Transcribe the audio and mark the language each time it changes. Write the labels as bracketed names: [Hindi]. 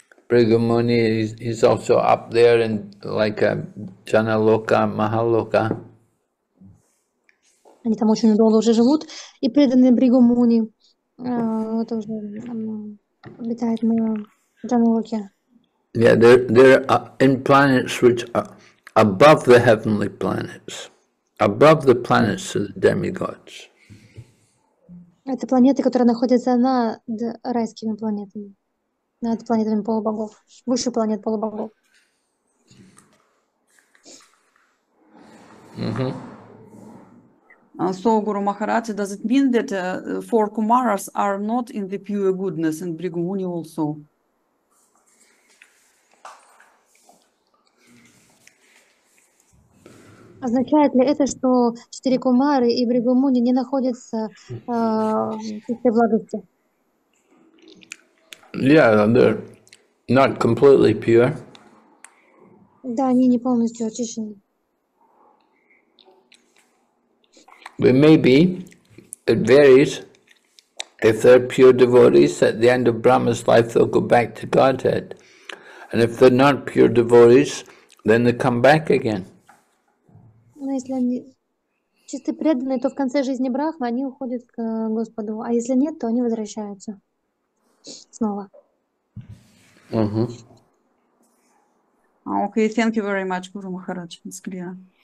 [English] Bhrigu Muni, he's also up there in like a Janaloka, Mahaloka. [Russian] Они там очень долго уже живут, и преданные Бригу Муни тоже обитают на Джаналоке. [English] Yeah, they're in planets which are above the heavenly planets, above the planets of the demigods. [Russian] Это планеты, которые находятся над райскими планетами. Над планетами полубогов, выше планет полубогов. [English] So Guru Maharaj, does it mean that four Kumaras are not in the pure goodness and Bhrigu Muni also? [Russian] Означает ли это, что четыре Кумары и Бригу Муни не находятся в чистой благости? [English] Yeah, they're not completely pure. [Russian] Да, они не полностью очищены. [English] But maybe it varies. If they're pure devotees, at the end of Brahma's life, they'll go back to Godhead. And if they're not pure devotees, then they come back again. [Russian] Но если они чисто преданные, то в конце жизни Брахмы они уходят к Господу. А если нет, то они возвращаются снова. [English] Okay, thank you very much, Guru Maharaj. It's clear.